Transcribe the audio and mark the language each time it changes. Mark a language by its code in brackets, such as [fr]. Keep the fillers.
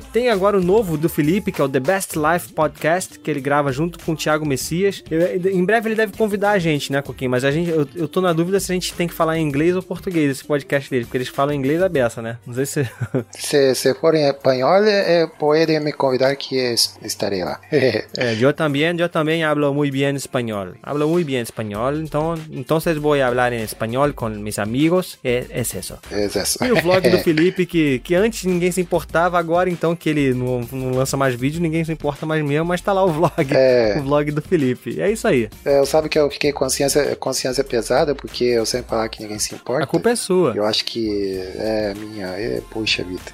[pt] Tem agora o novo do Felipe, que é o The Best Life Podcast, que ele grava junto com o Thiago Messias. Eu- em breve ele deve convidar a gente, né, Coquinho? Mas a gente, eu, eu tô na dúvida se a gente tem que falar em inglês ou português esse podcast dele, porque eles falam inglês a beça, né? Não sei se. Se, se forem espanhol, é, podem me convidar que es- estarei lá. [es] É, yo también, yo también hablo muy bien español. Hablo muy bien español, então, entonces voy a hablar en español con mis amigos. [pt] É, é isso. É isso. E o vlog do Felipe, que, que antes ninguém se importava, agora então que ele não, não lança mais vídeo, ninguém se importa mais mesmo, mas tá lá o vlog. É. O vlog do Felipe. É isso aí. É, eu sabe que eu fiquei consciência, consciência pesada, porque eu sempre falar que ninguém se importa. A culpa é sua. Eu acho que É, minha, é, poxa vida.